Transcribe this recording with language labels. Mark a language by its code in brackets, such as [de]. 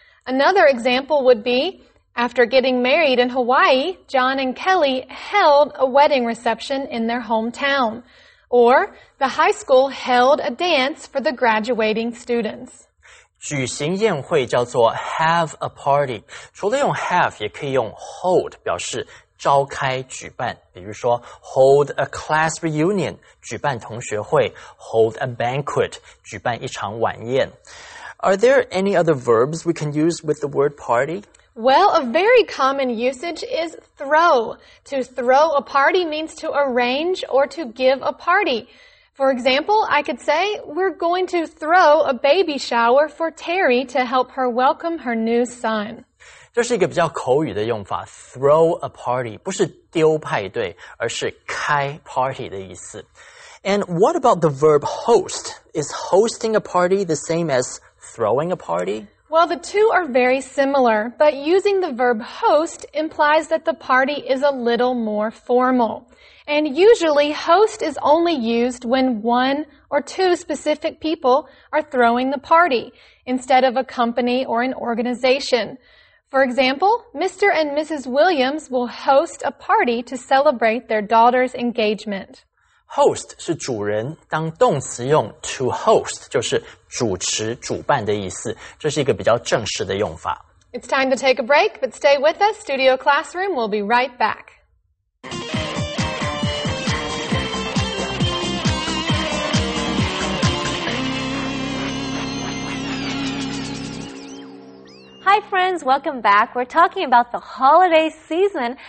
[en] Another example would be, after getting married in Hawaii, John and Kelly held a wedding reception in their hometown. Or the high school held a dance for the graduating students. [zh] 举行宴会叫做 [en] have a party. [zh] 除了用 have, 也可以用 hold 表示召开举办。比如说 [en] hold a class reunion, [zh] 举办同学会 [en] hold a banquet, [zh] 举办一场晚宴。 [en] Are there any other verbs we can use with the word party? Well, a very common usage is throw. To throw a party means to arrange or to give a party. For example, I could say, we're going to throw a baby shower for Terry to help her welcome her new son. [zh] 这是一个比较口语的用法 [en] throw a party, [zh] 不是丢派对而是开 party 的意思。 [en] And what about the verb host? Is hosting a party the same as throwing a party? Well, the two are very similar, but using the verb host implies that the party is a little more formal. And usually, host is only used when one or two specific people are throwing the party, instead of a company or an organization. For example, Mr. and Mrs. Williams will host a party to celebrate their daughter's engagement. [zh] Host 是主人，当动词用 [en] to host [zh] 就是主持、主办的意思，这是一个比较正式的用法。 [en] It's time to take a break, but stay with us. Studio Classroom will be right back. Hi friends, welcome back. We're talking about the holiday season.